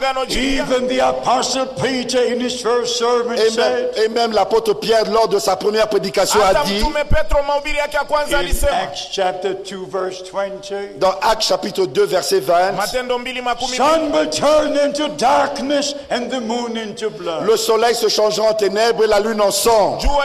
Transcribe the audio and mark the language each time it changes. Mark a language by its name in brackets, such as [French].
[English] Even the apostle Peter in his first sermon said. [French] Et même l'apôtre Pierre lors de sa première prédication a dit. [English] In Acts chapter 2 verse 20. [French] Dans Actes chapitre 2 verset 20. [English] Sun will turn into darkness and the moon into blood. [French] Le soleil se changera en ténèbres et la lune en sang.